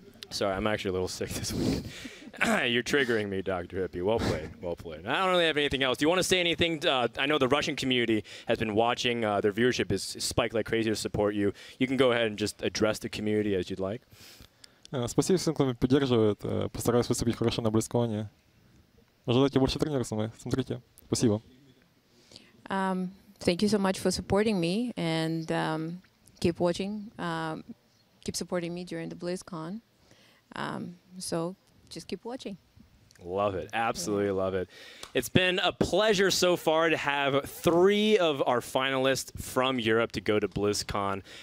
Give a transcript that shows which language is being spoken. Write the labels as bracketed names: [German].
[English] Sorry, I'm actually a little sick this weekend. You're triggering me, DrHippi. Well played, well played. I don't really have anything else. Do you want to say anything? I know the Russian community has been watching. Their viewership is spiked like crazy to support you. You can go ahead and just address the community as you'd like. [Russian] Спасибо всем, кто меня поддерживает. Постараюсь выступить хорошо на Близконе. Желайте больше тренеров с вами. Смотрите. Спасибо. [English] Thank you so much for supporting me and keep watching. Keep supporting me during the BlizzCon. So just keep watching. Love it. Absolutely love it. It's been a pleasure so far to have three of our finalists from Europe to go to BlizzCon.